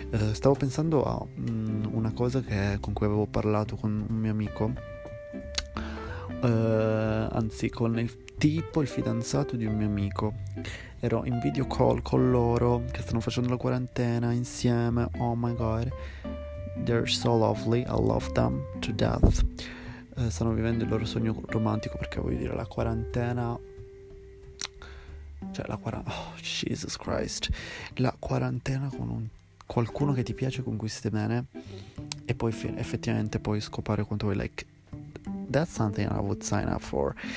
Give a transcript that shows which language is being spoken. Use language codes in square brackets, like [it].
[it] Stavo pensando a una cosa con cui avevo parlato con un mio amico, anzi con il fidanzato di un mio amico. Ero in video call con loro, che stanno facendo la quarantena insieme. [en] Oh my god, they're so lovely, I love them to death. [it] Stanno vivendo il loro sogno romantico, perché voglio dire, la quarantena, cioè la quarantena, [en] oh Jesus Christ, [it] la quarantena con qualcuno che ti piace, con cui stai bene, e poi effettivamente puoi scopare quanto vuoi, [en] like, that's something I would sign up for.